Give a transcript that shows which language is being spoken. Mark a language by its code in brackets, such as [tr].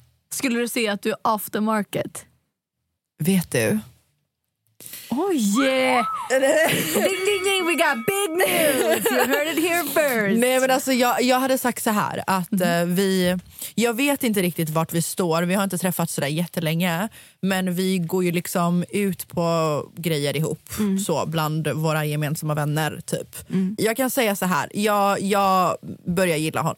[sv] Skulle du säga att du är [en] off the market? [sv] Vet du? [en] Oh yeah. Ding ding ding, we got big news. You heard it here first. [sv] Nej, men alltså jag hade sagt så här att jag vet inte riktigt vart vi står. Vi har inte träffats så där jättelänge, men vi går ju liksom ut på grejer ihop så bland våra gemensamma vänner typ. Mm. Jag kan säga så här, jag börjar gilla honom.